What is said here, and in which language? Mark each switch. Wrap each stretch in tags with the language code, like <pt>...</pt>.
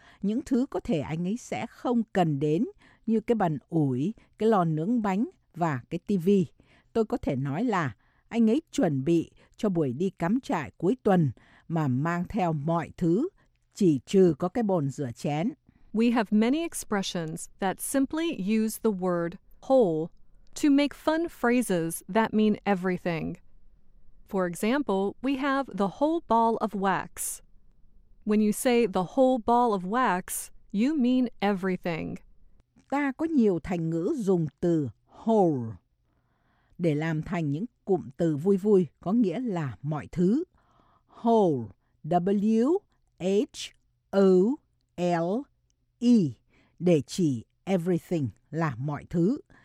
<vi>Những thứ có thể anh ấy sẽ không cần đến như cái bàn ủi, cái lò nướng bánh và cái tivi. Tôi có thể nói là anh ấy chuẩn bị cho buổi đi cắm trại cuối tuần mà mang theo mọi thứ, chỉ trừ có cái bồn rửa chén.</vi> <en>We have many expressions that simply use the word whole to make fun phrases that mean everything. For example, we have the whole ball of wax. When you say the whole ball of wax, you mean everything.</en> <vi>Ta có nhiều thành ngữ dùng từ whole để làm thành những cụm từ vui vui có nghĩa là mọi thứ. Whole, W-H-O-L-E, để chỉ everything là mọi thứ.</vi>